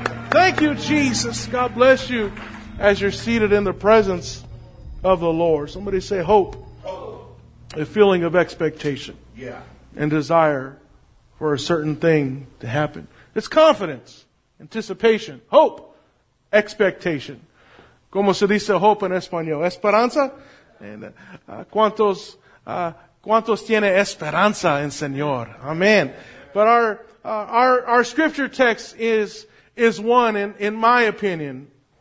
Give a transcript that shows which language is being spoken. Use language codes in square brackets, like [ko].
[en] Thank you, Jesus. God bless you as you're seated in the presence of the Lord. Somebody say hope. Hope. A feeling of expectation. Yeah. And desire for a certain thing to happen. It's confidence, anticipation, hope, expectation. [es] ¿Cómo se dice hope en español? ¿Esperanza? And, ¿cuántos tiene esperanza en Señor? [en] Amen. But our scripture text is one, in my opinion.